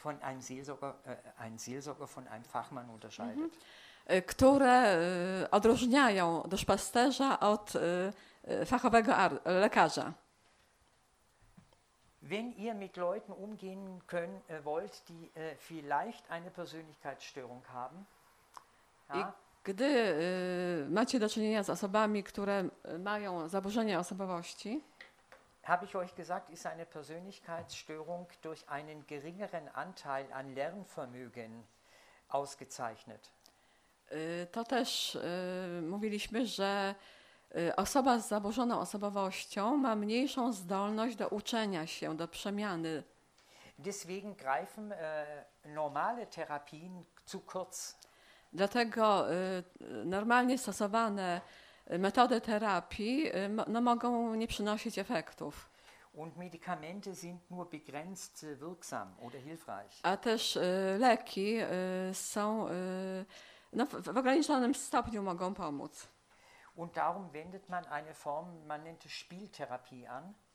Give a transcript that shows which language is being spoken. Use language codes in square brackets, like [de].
[de] Von einem Seelsorger, ein Seelsorger von einem Fachmann unterscheidet. [pl] Które odróżniają duszpasterza od fachowego lekarza. [de] Wenn ihr mit Leuten umgehen können, wollt, die vielleicht eine Persönlichkeitsstörung haben, [pl] i gdy macie do czynienia z osobami, które mają zaburzenie osobowości, [de] habe ich euch gesagt, ist eine Persönlichkeitsstörung durch einen geringeren Anteil an Lernvermögen ausgezeichnet. [pl] To też mówiliśmy, że osoba z zaburzoną osobowością ma mniejszą zdolność do uczenia się, do przemiany. [de] Deswegen greifen normale Therapien zu kurz. [pl] Dlatego normalnie stosowane metody terapii no, mogą nie przynosić efektów. [de] Und Medikamente sind nur begrenzt wirksam oder hilfreich. [pl] A też leki są no, w ograniczonym stopniu mogą pomóc. [de] Und darum wendet man eine Form, man nennt es Spieltherapie an.